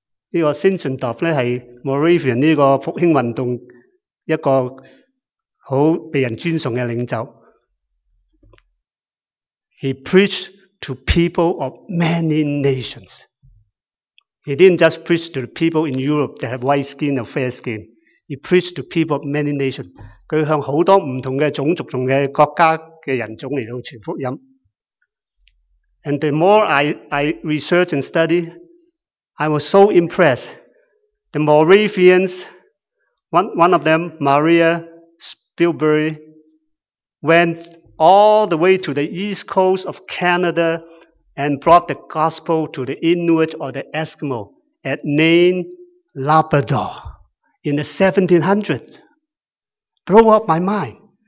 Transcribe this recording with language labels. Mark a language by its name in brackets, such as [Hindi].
[Chinese] 这个 Sinzendorf 是 Moravian 这个复兴运动一个好被人尊崇的领袖。 [English] He preached to people of many nations. He didn't just preach to the people in Europe that have white skin or fair skin. He preached to people of many nations. [Chinese] 他向很多不同的种族和国家的人种来传福音。 [English] And the more I research and study, I was so impressed. The Moravians, one of them, MariaBillbury went all the way to the east coast of Canada and brought the gospel to the Inuit or the Eskimo at Nain, Labrador in the 1700s. Blow up my mind.